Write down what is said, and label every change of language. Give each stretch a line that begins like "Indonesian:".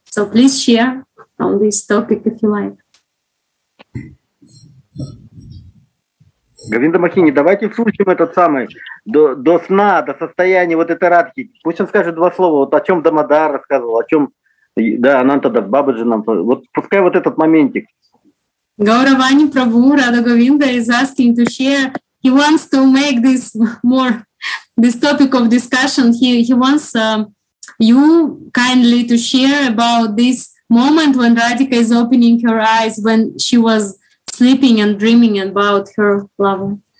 English: So please share on this topic if you like.
Russian: Говинда Махини, давайте включим этот самый до сна, до состояния вот этой радхи. Пусть он скажет два слова, вот о чем Дамодар рассказывал, о чем, да, Анантада Бабаджи нам. Вот пускай вот этот моментик.
English: Гауравани Прабху, Рада Говинда is asking to share. He wants to make this more, this topic of discussion. He wants you kindly to share about this moment when Radhika is opening her eyes, when she was sleeping and dreaming about her lover.